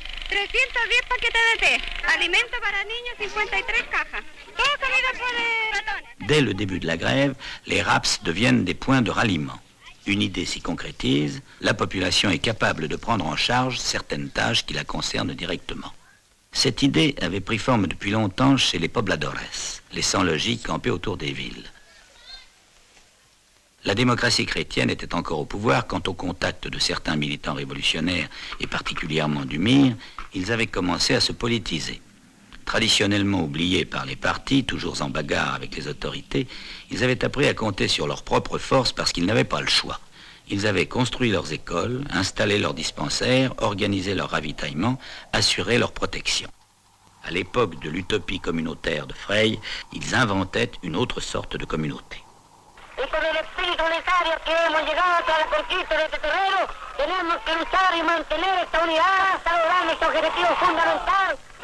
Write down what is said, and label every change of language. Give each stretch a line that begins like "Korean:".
Spanish: 310 paquetes de thé, alimento para niños, 53 cajas, toda comida por ratones.
French: Dès le début de la grève, les RAPS deviennent des points de ralliement. Une idée s'y concrétise, la population est capable de prendre en charge certaines tâches qui la concernent directement. Cette idée avait pris forme depuis longtemps chez les pobladores, les sans-logis campés autour des villes. La démocratie chrétienne était encore au pouvoir quand, au contact de certains militants révolutionnaires, et particulièrement du MIR, ils avaient commencé à se politiser. Traditionnellement oubliés par les partis, toujours en bagarre avec les autorités, ils avaient appris à compter sur leurs propres forces parce qu'ils n'avaient pas le choix. Ils avaient construit leurs écoles, installé leurs dispensaires, organisé leur ravitaillement, assuré leur protection. À l'époque de l'utopie communautaire de Frey, ils inventaient une autre sorte de communauté.
Spanish: Y con el espíritu unitario que hemos llegado hasta la conquista de este terreno, tenemos que luchar y mantener esta unidad hasta lograr nuestro objetivo fundamental.